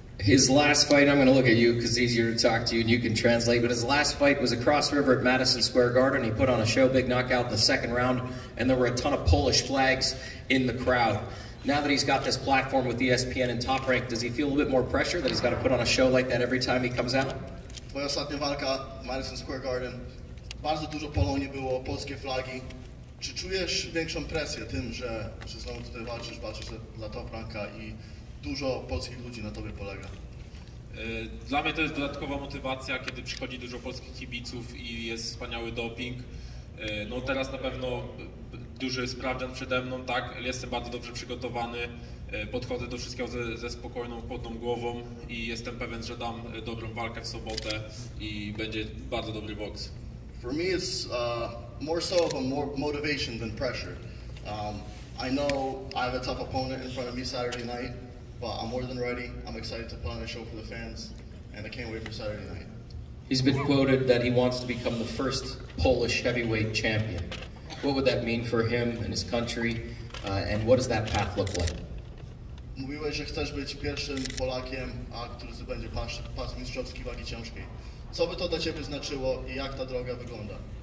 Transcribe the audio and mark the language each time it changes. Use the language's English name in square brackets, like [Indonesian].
[English] His last fight, I'm going to look at you because it's easier to talk to you and you can translate, but his last fight was across river at Madison Square Garden. He put on a show, big knockout in the second round, and there were a ton of Polish flags in the crowd. Now that he's got this platform with ESPN and Top Rank, does he feel a little bit more pressure that he's got to put on a show like that every time he comes out? [Polish] Twoja ostatnia walka, Madison Square Garden. Bardzo dużo Polonii było, polskie flagi. Czy czujesz większą presję tym, że znowu tutaj walczysz, walczysz dla Top Ranka I dużo polskich ludzi na tobie polega? Dla mnie to jest dodatkowa motywacja, kiedy przychodzi dużo polskich kibiców I jest wspaniały doping. No teraz na pewno duży sprawdzian przede mną, tak? Jestem bardzo dobrze przygotowany, podchodzę do wszystkiego ze spokojną, chłodną głową I jestem pewien, że dam dobrą walkę w sobotę I będzie bardzo dobry boks. [English] For me it's more so of a motivation than pressure. I know I have a tough opponent in front of me Saturday night, but I'm more than ready. I'm excited to put on a show for the fans, and I can't wait for Saturday night. He's been quoted that he wants to become the first Polish heavyweight champion. What would that mean for him and his country, and what does that path look like? [Polish] Mówiłeś, że chcesz być pierwszym Polakiem, a który zdobędzie pas mistrzowski wagi ciężkiej. Co by to dla ciebie znaczyło I jak ta droga wygląda?